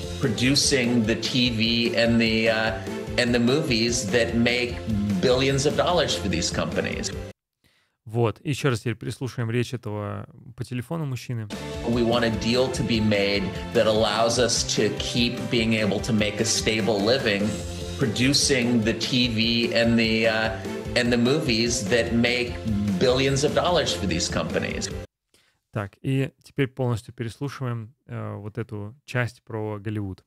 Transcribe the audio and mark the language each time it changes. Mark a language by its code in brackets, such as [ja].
[en] Producing the TV and the movies that make billions of dollars for these companies. [ru] Вот, еще раз теперь прислушаем речь этого по телефону мужчины. [en] We want a deal to be made that allows us to keep being able to make a stable living. Producing the TV and the movies that make billions of dollars for these companies. [ru] Так, и теперь полностью переслушиваем вот эту часть про Голливуд.